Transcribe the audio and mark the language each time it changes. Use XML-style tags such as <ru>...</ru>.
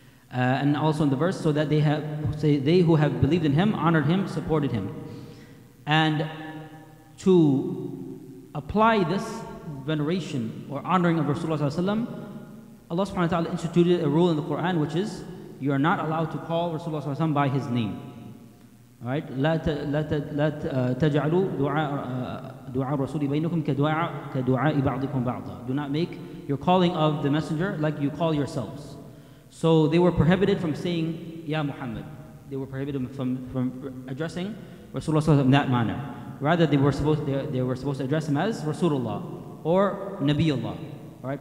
<en>And also in the verse, so that they who have believed in him, honored him, supported him. And to apply this veneration or honoring of Rasulullah ﷺ, Allah subhanahu wa ta'ala instituted a rule in the Quran, which is, you are not allowed to call Rasulullah ﷺ by his name. Right?</en> <ar>لا تجعلوا دعاء الرسول بينكم كدعاء بعضكم بعضا.</ar> <en>Do not make your calling of the messenger like you call yourselves. So they were prohibited from saying Ya Muhammad. They were prohibited from addressing Rasulullah in that manner. Rather, they were supposed to address him as Rasulullah or Nabiullah, right?</en>